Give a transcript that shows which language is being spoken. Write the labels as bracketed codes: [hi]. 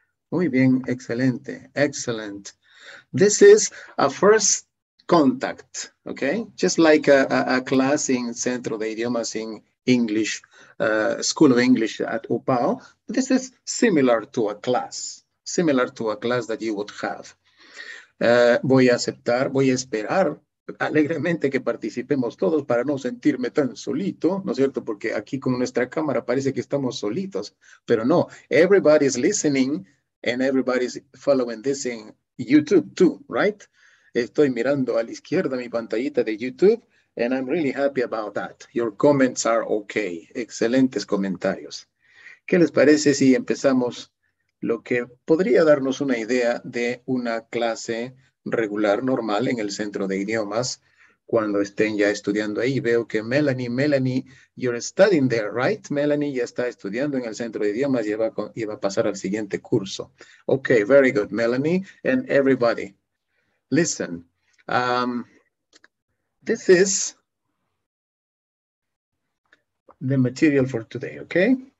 [es] Muy bien, excelente, [en] excellent. This is a first contact, okay? Just like a class in Centro de Idiomas in English, School of English at UPAO. This is similar to a class that you would have. [es] Voy a aceptar, voy a esperar alegremente que participemos todos para no sentirme tan solito, ¿no es cierto? Porque aquí con nuestra cámara parece que estamos solitos, pero no, [en] everybody is listening And everybody's following this in YouTube too, right? [es] Estoy mirando a la izquierda mi pantallita de YouTube [en] and I'm really happy about that. Your comments are okay. [es] Excelentes comentarios. ¿Qué les parece si empezamos lo que podría darnos una idea de una clase regular, normal en el centro de idiomas cuando estén ya estudiando ahí? Veo que [en] Melanie, you're studying there, right? [es] Melanie ya está estudiando en el centro de idiomas y va a pasar al siguiente curso. [en] Ok, very good, Melanie and everybody. Listen, this is the material for today, okay?